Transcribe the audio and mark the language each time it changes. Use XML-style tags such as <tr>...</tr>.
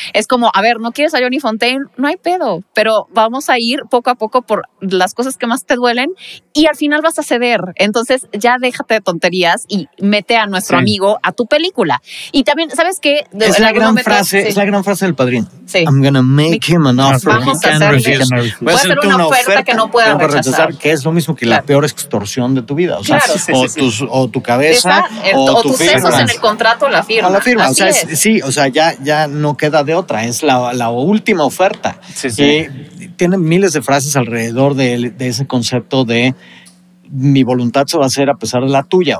<es>Es como, a ver, ¿no quieres a Johnny Fontaine? No hay pedo, pero vamos a ir poco a poco por las cosas que más te duelen y al final vas a ceder. Entonces ya déjate de tonterías y mete a nuestro amigo a tu película. Y también, ¿sabes qué? Es la gran frase del Padrino. Sí.</es> <en>I'm gonna make him an offer he can refuse.</en> <es>Voy a hacerte una oferta que no pueda rechazar. Que es lo mismo que la peor extorsión de tu vida. O sea, o tu cabeza, o tus sesos en el contrato, la firma. A la firma. Ya no queda de otra. Es la última oferta. Sí, sí. Tiene miles de frases alrededor de ese concepto de mi voluntad se va a hacer a pesar de la tuya.</es>